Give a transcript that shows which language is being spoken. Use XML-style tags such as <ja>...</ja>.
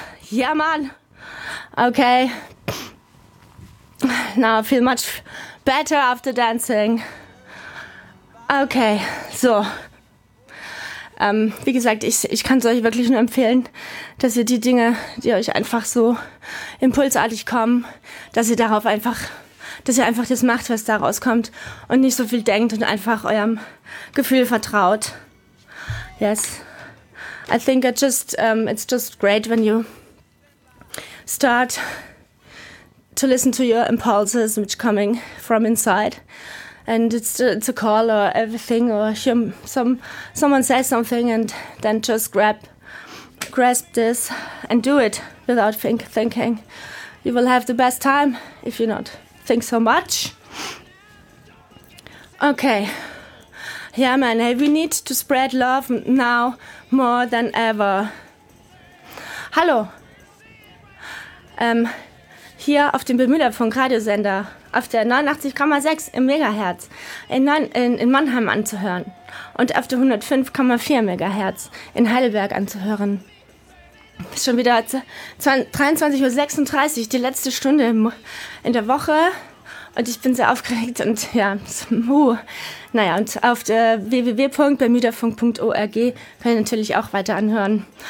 <de>Ja, man. Okay.</de> <en>Now I feel much better after dancing. Okay, so. Wie gesagt, ich kann es euch wirklich nur empfehlen, dass ihr die Dinge, die euch einfach so impulsartig kommen, dass ihr einfach das macht, was da rauskommt und nicht so viel denkt und einfach eurem Gefühl vertraut. Yes. I think it's just great when you start to listen to your impulses, which coming from inside, and it's a call or everything, or someone says something, and then just grasp this and do it without thinking. You will have the best time if you not think so much. Okay, yeah, man. Hey, we need to spread love now more than ever.</en> <de>Hallo. Hier auf dem Bemühlerfunk Radiosender auf der 89,6 im Megahertz in Mannheim anzuhören und auf der 105,4 Megahertz in Heidelberg anzuhören. Ist schon wieder 23.36 Uhr, die letzte Stunde in der Woche und ich bin sehr aufgeregt und ja, naja, und auf der www.bemühlerfunk.org könnt ihr natürlich auch weiter anhören.</de>